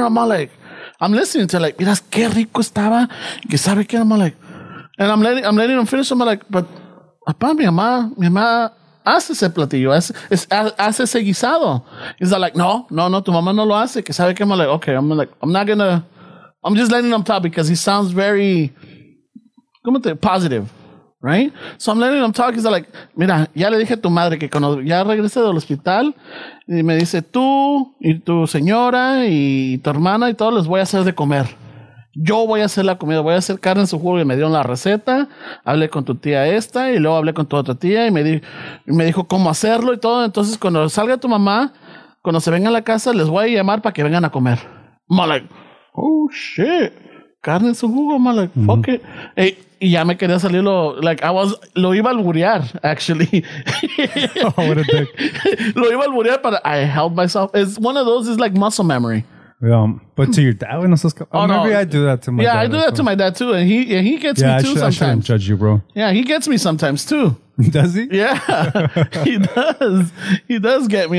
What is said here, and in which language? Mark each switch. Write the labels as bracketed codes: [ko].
[en] I'm all like, I'm listening to like, [es] miras que rico estaba, que sabe que. [en] I'm all like, and I'm letting him finish. I'm all like, but [es] apa, mi mamá hace ese platillo, hace ese guisado. [en] He's all like, [es] no, tu mamá no lo hace, que sabe que. [en] I'm all like, okay, I'm like, I'm not gonna, I'm just letting him talk because he sounds very, ¿cómo te, positive. Right? So I'm letting him talk. [es] He's like, mira, ya le dije a tu madre que cuando ya regresé del hospital, y me dice, tú y tu señora y tu hermana y todo, les voy a hacer de comer. Yo voy a hacer la comida, voy a hacer carne en su jugo. Y me dieron la receta. Hablé con tu tía esta y luego hablé con tu otra tía y me dijo cómo hacerlo y todo. Entonces, cuando salga tu mamá, cuando se venga a la casa, les voy a llamar para que vengan a comer. [en] I'm like, oh, shit. Carne en su jugo, I'm like, fuck it. [es] Hey, y ya me quería salir lo iba a alburear, actually. [en] Oh, what a dick. [es] Lo iba a alburear, [en] but I held myself. It's one of those, it's like muscle memory. Yeah, but to your dad, I do that to my dad. Yeah, I do that to my dad too, and he gets me too sometimes. I shouldn't judge you, bro. Yeah, he gets me sometimes too. Does he? Yeah, he does. He does get me.